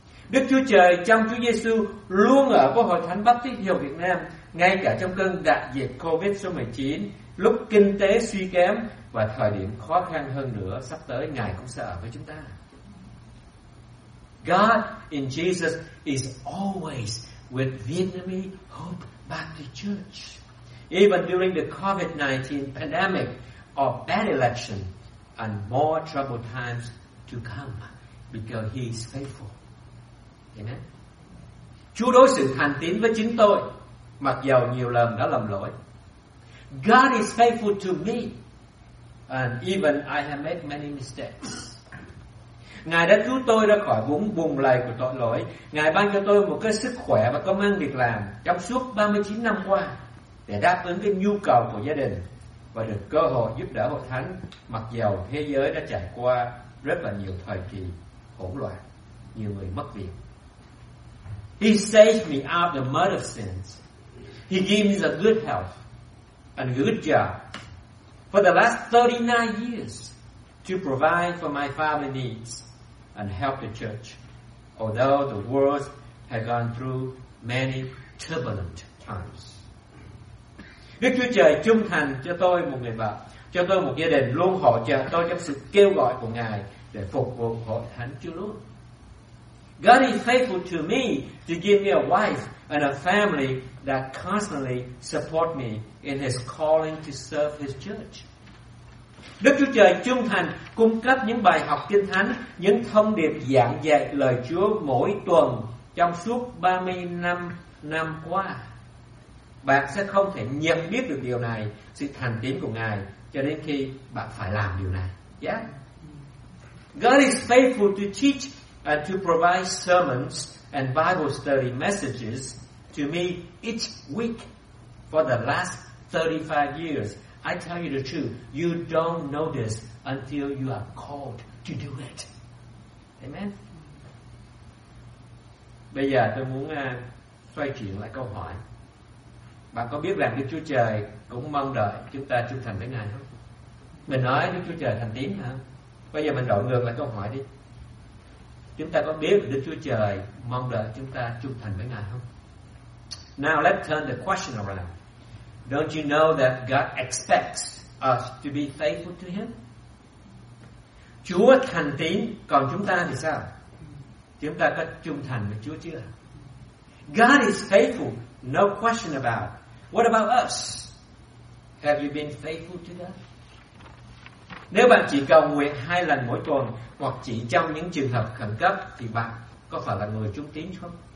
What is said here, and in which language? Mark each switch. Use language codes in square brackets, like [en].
[vi] Đức Chúa Trời trong Chúa Giê-xu luôn ở với Hội Thánh Baptist Hiệu Việt Nam, ngay cả trong cơn đại dịch COVID-19, lúc kinh tế suy kém và thời điểm khó khăn hơn nữa sắp tới, Ngài cũng sẽ ở với chúng ta. [en] God in Jesus is always with Vietnamese Hope Baptist Church. Even during the COVID-19 pandemic or bad election and more troubled times to come, because He is faithful. Amen. [vi] Chúa đối xử thành tín với chính tôi, mặc dầu nhiều lần đã lầm lỗi. [en] God is faithful to me, and even I have made many mistakes. [vi] Ngài đã cứu tôi ra khỏi vũng bùn lầy của tội lỗi. Ngài ban cho tôi một cái sức khỏe và công ăn việc làm trong suốt 39 năm qua để đáp ứng cái nhu cầu của gia đình và được cơ hội giúp đỡ hội thánh, mặc dầu thế giới đã trải qua rất là nhiều thời kỳ hỗn loạn, nhiều người mất việc. [en] He saved me out of the mud of sins. He gave me a good health and a good job for the last 39 years to provide for my family needs and help the church, although the world had gone through many turbulent times. [vi] Đức Chúa Trời trung thành cho tôi một người vợ, cho tôi một gia đình, luôn hỗ trợ tôi trong sự kêu gọi của Ngài để phục vụ hội thánh Chúa luôn. [en] God is faithful to me to give me a wife and a family that constantly support me in His calling to serve His church. [vi] Đức Chúa Trời trung thành cung cấp những bài học kinh thánh, những thông điệp giảng dạy lời Chúa mỗi tuần trong suốt 35 năm qua. Bạn sẽ không thể nhận biết được điều này, sự thành tín của Ngài, cho đến khi bạn phải làm điều này. Yeah. [en] God is faithful to teach and to provide sermons and Bible study messages to me each week for the last 35 years. I tell you the truth, you don't know this until you are called to do it. Amen. [vi] Bây giờ tôi muốn xoay chuyển lại câu hỏi. Bạn có biết rằng Đức Chúa Trời cũng mong đợi chúng ta trung thành với Ngài không? Mình nói Đức Chúa Trời thành tín hả? Bây giờ mình đổi ngược lại câu hỏi đi. Chúng ta có biết Đức Chúa Trời mong đợi chúng ta trung thành với Ngài không? [en] Now let's turn the question around. Don't you know that God expects us to be faithful to Him? [vi] Chúa thành tín, còn chúng ta thì sao? Chúng ta có trung thành với Chúa chưa? [en] God is faithful, no question about. What about us? Have you been faithful to God? [vi] Nếu bạn chỉ cầu nguyện hai lần mỗi tuần hoặc chỉ trong những trường hợp khẩn cấp thì bạn có phải là người trung tín không?